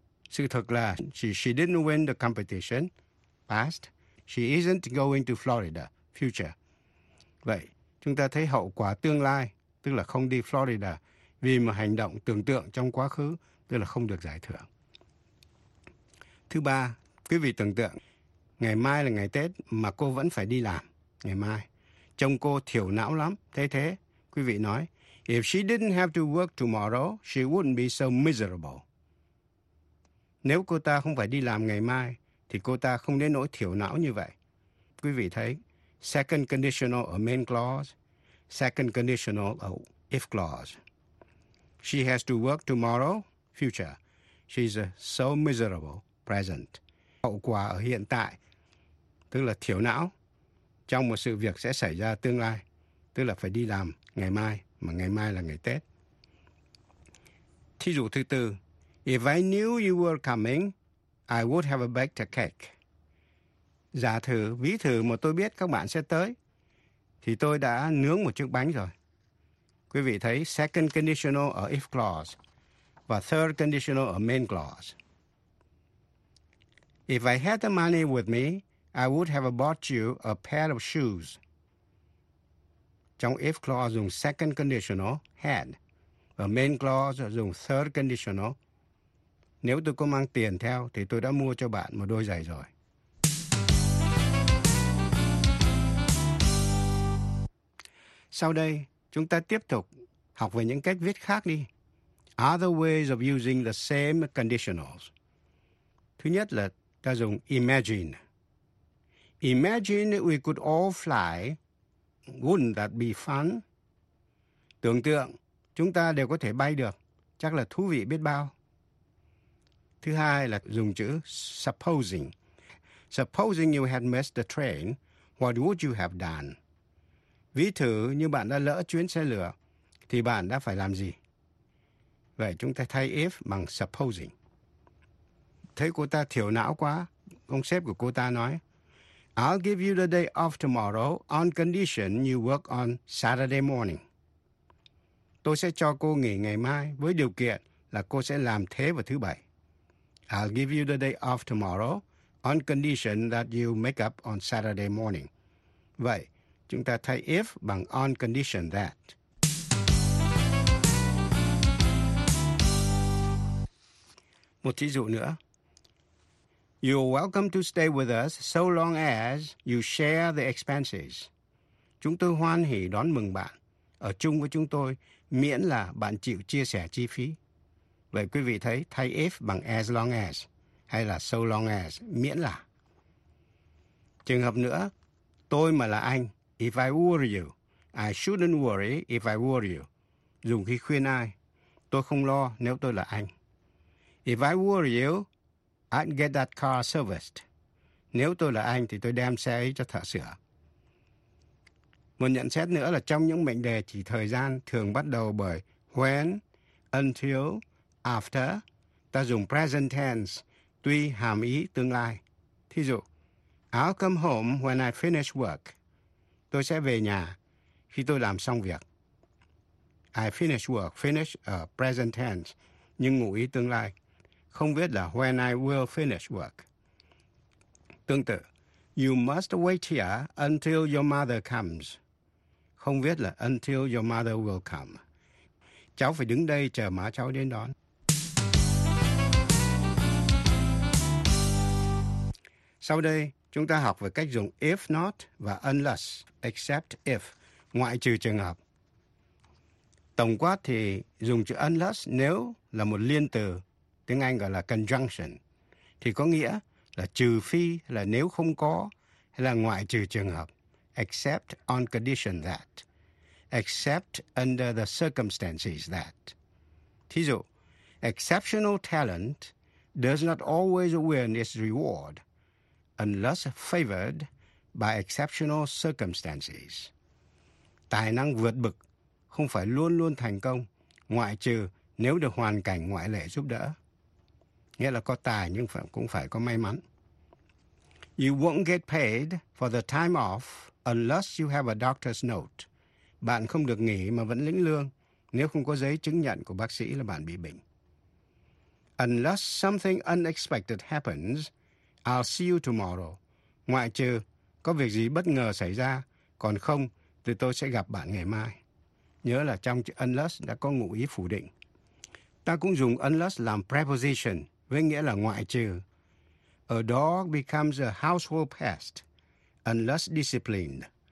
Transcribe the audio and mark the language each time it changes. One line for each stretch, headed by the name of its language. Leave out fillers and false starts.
Vietnamese: Sự thực là,
English: she didn't win the competition, past. She isn't going to Florida, future.
Vietnamese: Vậy, chúng ta thấy hậu quả tương lai, tức là không đi Florida, vì một hành động tưởng tượng trong quá khứ, tức là không được giải thưởng. Thứ ba, quý vị tưởng tượng, ngày mai là ngày Tết mà cô vẫn phải đi làm, ngày mai. Chồng cô thiểu não lắm, thế, quý vị nói,
English: if she didn't have to work tomorrow, she wouldn't be so miserable.
Vietnamese: Nếu cô ta không phải đi làm ngày mai, thì cô ta không đến nỗi thiểu não như vậy. Quý vị thấy,
English: second conditional or main clause, second conditional or if clause. She has to work tomorrow, future. She's so miserable, present.
Vietnamese: Hậu quả ở hiện tại, tức là thiểu não, trong một sự việc sẽ xảy ra tương lai, tức là phải đi làm ngày mai, mà ngày mai là ngày Tết. Thí dụ thứ tư,
English: if I knew you were coming, I would have baked a cake.
Vietnamese: Giả thử, ví thử mà tôi biết các bạn sẽ tới, thì tôi đã nướng một chiếc bánh rồi. Quý vị thấy second conditional ở if clause và third conditional ở main clause.
English: If I had the money with me, I would have bought you a pair of shoes.
Vietnamese: Trong if clause dùng second conditional, had. Và main clause dùng third conditional. Nếu tôi có mang tiền theo, thì tôi đã mua cho bạn một đôi giày rồi. Sau đây, chúng ta tiếp tục học về những cách viết khác đi.
English: Other ways of using the same conditionals.
Vietnamese: Thứ nhất là ta dùng imagine.
English: Imagine we could all fly. Wouldn't that be fun?
Vietnamese: Tưởng tượng, chúng ta đều có thể bay được. Chắc là thú vị biết bao. Thứ hai là dùng chữ supposing.
English: Supposing you had missed the train, what would you have done?
Vietnamese: Ví thử như bạn đã lỡ chuyến xe lửa, thì bạn đã phải làm gì? Vậy chúng ta thay if bằng supposing. Thấy cô ta thiểu não quá, ông sếp của cô ta nói,
English: I'll give you the day off tomorrow on condition you work on Saturday morning.
Vietnamese: Tôi sẽ cho cô nghỉ ngày mai với điều kiện là cô sẽ làm thế vào thứ bảy.
English: I'll give you the day off tomorrow on condition that you make up on Saturday morning.
Vietnamese: Vậy, chúng ta thay if bằng on condition that. Một thí dụ nữa.
English: You're welcome to stay with us so long as you share the expenses.
Vietnamese: Chúng tôi hoan hỷ đón mừng bạn ở chung với chúng tôi miễn là bạn chịu chia sẻ chi phí. Vậy quý vị thấy thay if bằng as long as hay là so long as miễn là. Trường hợp nữa, tôi mà là anh,
English: if I were you, I shouldn't worry if I were you.
Vietnamese: Dùng khi khuyên ai, tôi không lo nếu tôi là anh.
English: If I were you, I'd get that car serviced.
Vietnamese: Nếu tôi là anh thì tôi đem xe ấy cho thợ sửa. Một nhận xét nữa là trong những mệnh đề chỉ thời gian thường bắt đầu bởi when, until, after, ta dùng present tense, tuy hàm ý tương lai. Thí dụ,
English: I'll come home when I finish work.
Vietnamese: Tôi sẽ về nhà khi tôi làm xong việc.
English: I finish work,
Vietnamese: finish ở present tense, nhưng ngụ ý tương lai. Không viết là
English: when I will finish work.
Vietnamese: Tương tự,
English: you must wait here until your mother comes.
Vietnamese: Không viết là
English: until your mother will come.
Vietnamese: Cháu phải đứng đây chờ má cháu đến đón. Sau đây, chúng ta học về cách dùng if not và unless, except if, ngoại trừ trường hợp. Tổng quát thì dùng chữ unless nếu là một liên từ, tiếng Anh gọi là conjunction, thì có nghĩa là trừ phi, là nếu không có, hay là ngoại trừ trường hợp,
English: except on condition that, except under the circumstances that. Thí dụ, exceptional talent does not always win its reward unless favored by exceptional circumstances.
Vietnamese: Tài năng vượt bậc không phải luôn luôn thành công, ngoại trừ nếu được hoàn cảnh ngoại lệ giúp đỡ. Nghĩa là có tài nhưng cũng phải có may mắn.
English: You won't get paid for the time off unless you have a doctor's note.
Vietnamese: Bạn không được nghỉ mà vẫn lĩnh lương nếu không có giấy chứng nhận của bác sĩ là bạn bị bệnh.
English: Unless something unexpected happens, I'll see you tomorrow.
Vietnamese: Ngoại trừ có việc gì bất ngờ xảy ra, còn không thì tôi sẽ gặp bạn ngày mai. Nhớ là trong chữ unless đã có ngụ ý phủ định. Ta cũng dùng unless làm preposition với nghĩa là ngoại trừ.
English: A dog becomes a household pest unless disciplined.